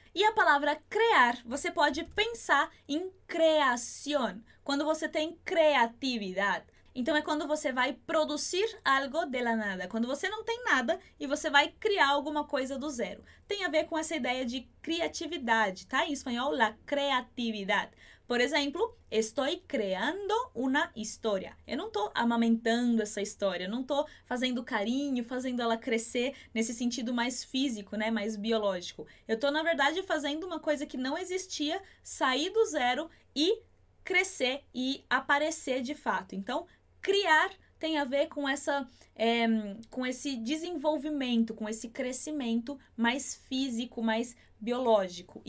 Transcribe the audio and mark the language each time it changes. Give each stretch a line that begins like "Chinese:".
Portuguese: E a palavra crear, você pode pensar em creação, quando você tem criatividade. Então, é quando você vai produzir algo
Spanish: de la nada.
Portuguese: Quando você não tem nada e você vai criar alguma coisa do zero. Tem a ver com essa ideia de criatividade, tá? Em espanhol, la creatividad. Por exemplo,
Spanish: estoy creando una historia.
Portuguese: Eu não estou amamentando essa história. Não estou fazendo carinho, fazendo ela crescer nesse sentido mais físico, né? Mais biológico. Eu estou, na verdade, fazendo uma coisa que não existia, sair do zero e crescer e aparecer de fato. Então, criar tem a ver com essa, com esse desenvolvimento, com esse crescimento mais físico, mais biológico.